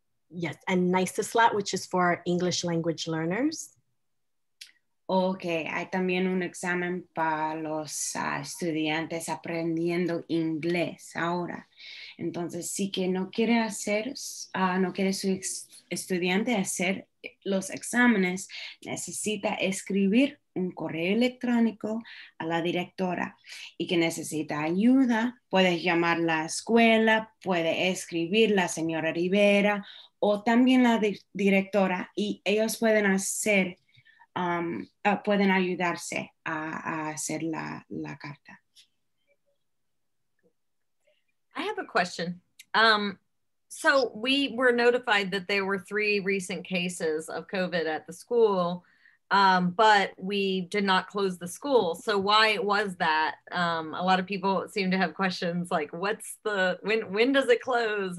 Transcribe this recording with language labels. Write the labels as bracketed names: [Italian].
[English] Yes, and NICESLAT, which is for English language learners. [Spanish] Okay, hay también un examen para los estudiantes aprendiendo inglés ahora. Entonces, sí que no quiere hacer, no quiere su estudiante hacer los exámenes, necesita escribir un correo electrónico a la directora y que necesita ayuda. Puede llamar la escuela, puede escribir la señora Rivera o también la directora y ellos pueden hacer pueden ayudarse a hacer la carta. [English] I have a question. So we were notified that there were 3 recent cases of COVID at the school, but we did not close the school. So why was that? A lot of people seem to have questions like, what's the, when does it close?